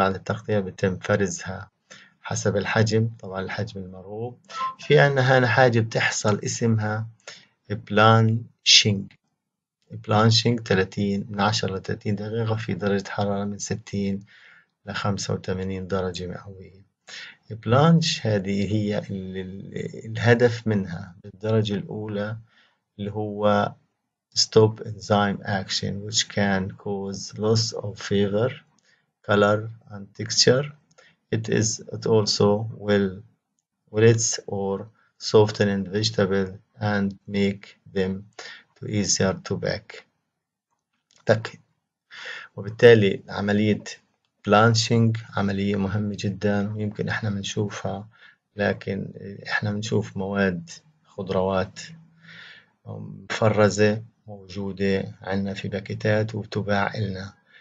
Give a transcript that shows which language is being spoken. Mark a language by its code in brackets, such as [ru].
[ar] بعد التقطيع بيتم فرزها حسب الحجم، طبعا الحجم المرغوب. في عندنا حاجة بتحصل اسمها بلانشينج 30 من 10 ل 30 دقيقة في درجة حرارة من 60 ل 85 درجة مئوية. بلانش هذه هي الهدف منها بالدرجة الأولى، اللي هو [en] stop enzyme action which can cause loss of flavor, color and texture. It also will wilt or soften in vegetable and make them to easier to bake. [ar] وبالتالي عملية بلانشينج عملية مهمة جدا، ويمكن احنا بنشوفها، لكن احنا بنشوف مواد خضروات مفرزة موجودة عندنا في باكيتات وتباع لنا.